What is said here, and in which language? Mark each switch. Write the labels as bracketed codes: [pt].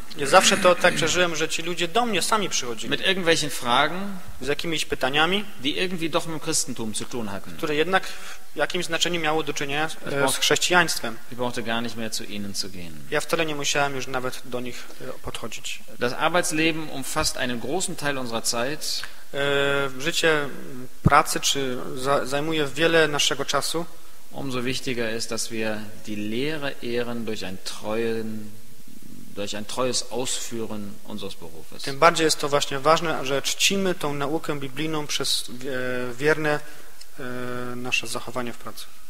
[pl] Ja zawsze to tak przeżyłem, że ci ludzie do mnie sami przychodzili. [de] Mit irgendwelchen Fragen, [pl] z jakimiś pytaniami, [de] die irgendwie doch mit Christentum zu tun hatten. [pl] Które jednak w jakimś znaczeniu miało do czynienia z chrześcijaństwem. [de] Ich brauchte gar nicht mehr zu ihnen zu gehen. [pl] Ja wcale nie musiałem już nawet do nich podchodzić. [de] Das Arbeitsleben umfasst einen großen Teil unserer Zeit. [pl] Życie pracy czy zajmuje wiele naszego czasu. [de] Umso wichtiger ist, dass wir die Lehre ehren durch ein treuen durch ein treues Ausführen unseres Berufes. [pl] Tym bardziej jest to właśnie ważne, że czcimy tą naukę biblijną przez wierne nasze zachowanie w pracy.